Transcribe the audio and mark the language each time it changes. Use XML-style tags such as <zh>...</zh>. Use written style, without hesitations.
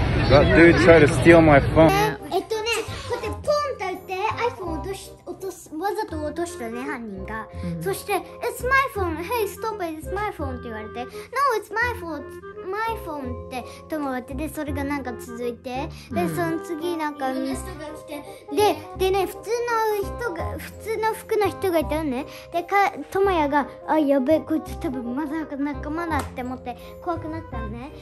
<en>That dude tried to steal my phone.</en> <ja>こうやってポンと打って iPhone 落とすわざと落としたね、犯人が。そして</ja> <en>It's my phone. Hey, stop it. It's my phone.</en> <ja>って言われて、</ja> <en>No, it's my phone. My phone.</en> <ja>って止まって、でそれがなんか続いて、でその次なんか人が来て、でね、普通の人が、普通の服の人がいたよね。でか、トモヤが、あ、やべえ、こいつ多分まだ仲間だって思って怖くなったね。</ja>